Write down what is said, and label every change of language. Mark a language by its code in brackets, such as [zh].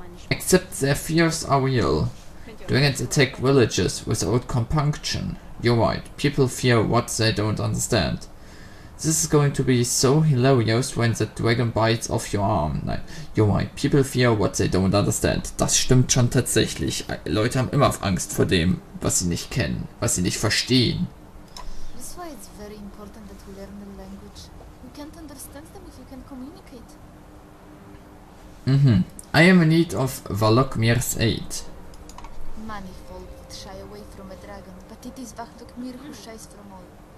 [en] Except their fears are real. Dragons attack villages without compunction. You're right, people fear what they don't understand. This is going to be so hilarious when the dragon bites off your arm. [de] Nein, [en] you're right, people fear what they don't understand. [de] Das stimmt schon tatsächlich. Leute haben immer Angst vor dem, was sie nicht kennen, was sie nicht verstehen. [en] This is why it's very important that we learn the language. You can't understand them if you can communicate. Mhm. I am in need of Valokmir's aid. Many folk would shy away from a dragon, but it is Valokmir who shies from all.